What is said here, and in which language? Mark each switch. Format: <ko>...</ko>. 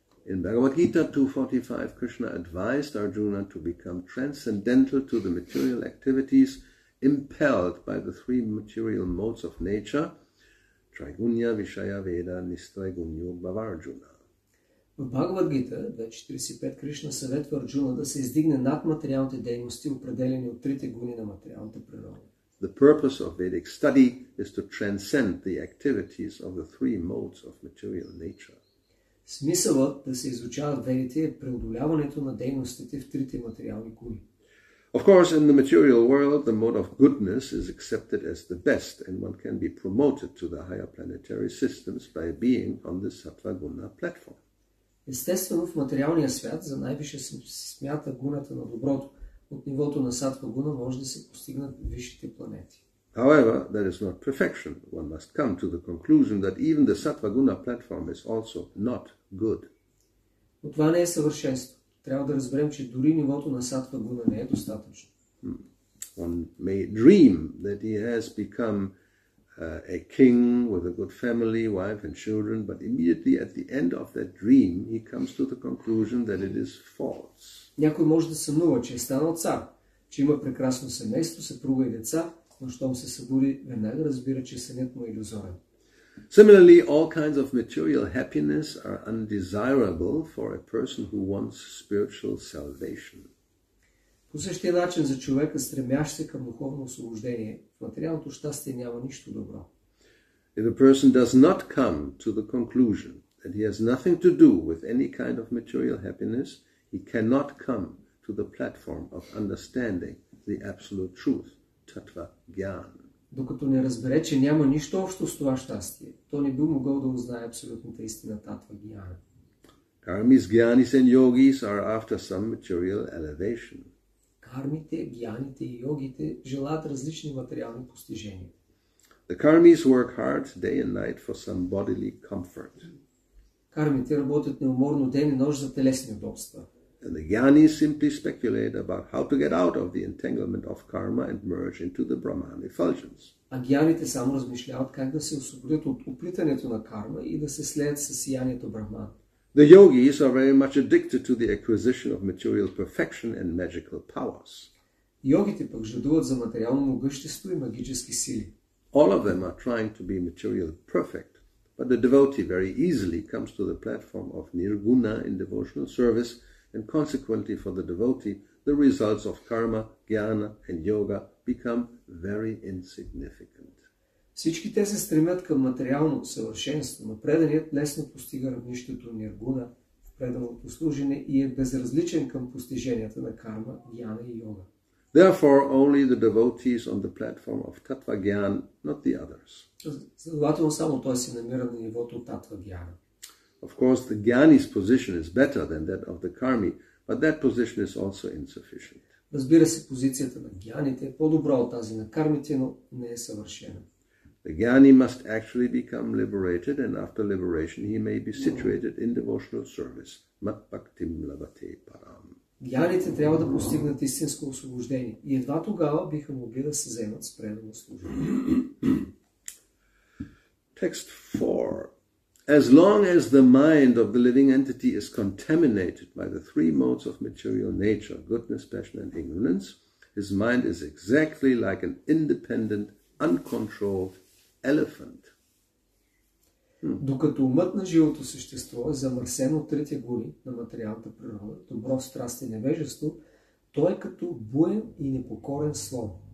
<en>In Bhagavad Gita 2.45, Krishna advised Arjuna to become transcendental to the material activities impelled by the three material modes of nature,</en> <sa>Trigunya, Vishaya, Veda, Nistraigunyo, Bhavarjuna.</sa> <bg>В Бхагавад Гита 2.45 Кришна съветва Арджуна да се издигне над материалните дейности, определени от трите гуни на материалната природа.</bg> <en>The purpose of Vedic study is to transcend the activities of the three modes of material nature.</en> <bg>Смисълът да се изучават ведите е преодоляването на дейностите в трите материални гуни.</bg> <en>Of course, in the material world, the mode of goodness is accepted as the best, and one can be promoted to the higher planetary systems by being on the Sattva-guna platform.</en> <bg>Естествено, в материалния свят за най-више се смята гуната на доброто. От нивото на сатва гуна може да се постигнат висшите планети.</bg> <en>However, that is not perfection. One must come to the conclusion that even the сатва гуна platform is also not good.</en> <bg>Но това не е съвършенство. Трябва да разберем, че дори нивото на сатва гуна не е достатъчно.</bg> <en>One may dream that he has become a king with a good family, wife and children, but immediately at the end of that dream, he comes to the conclusion that it is false.</en> <bg>Някой може да сънува, че е станал цар, че има прекрасно семейство, съпруга и деца, но щом се събуди, веднага разбира, че сънят му е илюзорен.</bg> <en>Similarly, all kinds of material happiness are undesirable for a person who wants spiritual salvation.</en> <bg>По същия начин за човека, стремящ се към духовно освобождение, в материалното щастие няма нищо добро.</bg> <en>If a person does not come to the conclusion that he has nothing to do with any kind of material happiness, he cannot come to the platform of understanding the absolute truth, tattva gyan.</en> <bg>Докато не разбере, че няма нищо общо с това щастие, то не би могъл да узнае абсолютната истина, татва гиана.</bg> <en>Кармис, гианис и йогис are after some material elevation.</en> <bg>Кармите, гианите и йогите желаят различни материални постижения.</bg> <en>The karmis work hard day and night for some bodily comfort.</en> <bg>Кармите работят неуморно ден и нощ за телесни удобства.</bg> <en>And the gyanis simply speculate about how to get out of the entanglement of karma and merge into the Brahman effulgence.</en> <bg>А гианите само размишляват как да се освободят от оплитането на карма и да се слеят с сиянието Брахман.</bg> <en>The yogis are very much addicted to the acquisition of material perfection and magical powers.</en> <bg>Йогите пък жадуват за материално могъщество и магически сили.</bg> <en>All of them are trying to be material perfect, but the devotee very easily comes to the platform of nirguna in devotional service. And consequently, for the devotee, the results of karma, jnana and yoga become very insignificant.</en> <bg>Всички те се стремят към материално съвършенство, но преданият лесно постига равнището ниргуна в преданото служене и е безразличен към постиженията на карма, jnana и йога.</bg> <en>Therefore, only the devotees on the platform of tattva jnan, not the others.</en> <bg>Следователно само той се намира на нивото tattva jnana.</bg> <en>Of course, the gyani's position is better than that of the karmi, but that position is also insufficient.</en> <bg>Разбира се, позицията на гианите е по-добра от тази на кармите, но не е съвършена.</bg> <en>The gyani must actually become liberated, and after liberation, he may be situated in devotional service.</en> <sa>Mat bhaktim labhate param.</sa> <bg>Гианите трябва да постигнат истинско освобождение и едва тогава биха могли да се заемат с предано служение.</bg> <en>Text 4. As long as the mind of the living entity is contaminated by the three modes of material nature, goodness, passion and ignorance, his mind is exactly like an independent, uncontrolled elephant.</en> <bg>Докато умът на живото същество е замърсен от трите гуни на материалната природа, добро, страст и невежество, той е като буен и непокорен слон.</bg>